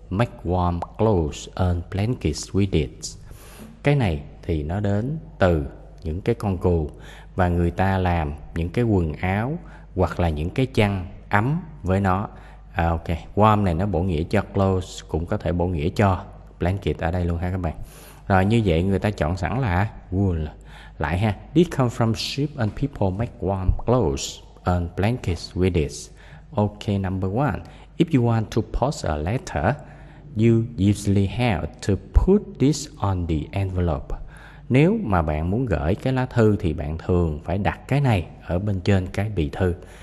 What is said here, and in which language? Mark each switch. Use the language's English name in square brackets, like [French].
[English] Make warm clothes and blankets with it. [Vietnamese] Cái này thì nó đến từ những cái con cừu, và người ta làm những cái quần áo hoặc là những cái chăn ấm với nó. Ok, warm này nó bổ nghĩa cho clothes, cũng có thể bổ nghĩa cho blanket ở đây luôn ha các bạn. Rồi như vậy người ta chọn sẵn là wool. Lại ha. [English] This come from sheep and people make warm clothes and blankets with it. Ok, number one. If you want to post a letter, you usually have to put this on the envelope. [Vietnamese] Nếu mà bạn muốn gửi cái lá thư thì bạn thường phải đặt cái này ở bên trên cái bì thư.